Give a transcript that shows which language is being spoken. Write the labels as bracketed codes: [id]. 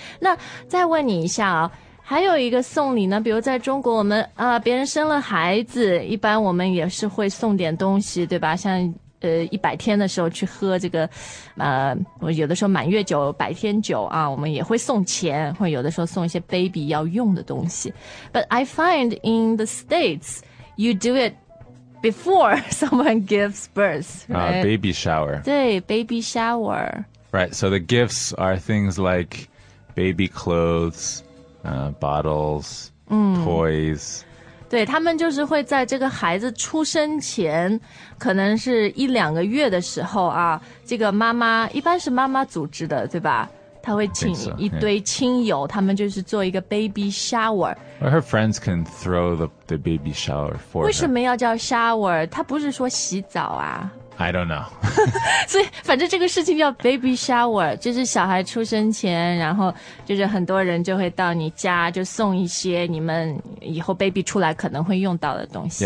[zh] 那再问你一下啊、哦还有一个送礼呢，比如在中国我们啊、别人生了孩子一般我们也是会送点东西对吧，像一百天的时候去喝这个我有的时候满月酒百天酒啊，我们也会送钱，或者有的时候送一些 baby 要用的东西。 [en] But I find in the States, you do itbefore someone gives birth, right? Baby shower. [zh] 对 baby shower. [en] Right, so the gifts are things like baby clothes,bottles,toys. [zh] 对，他们就是会在这个孩子出生前，可能是一两个月的时候啊，这个妈妈，一般是妈妈组织的，对吧？她会请一堆亲友，他们就是做一个 baby shower. [en] Or her friends can throw the baby shower for her. [zh] 为什么要叫 shower? 她不是说洗澡啊。 [en] I don't know. [zh] 所以反正这个事情叫 baby shower, 就是小孩出生前然后就是很多人就会到你家就送一些你们以后 baby 出来可能会用到的东西。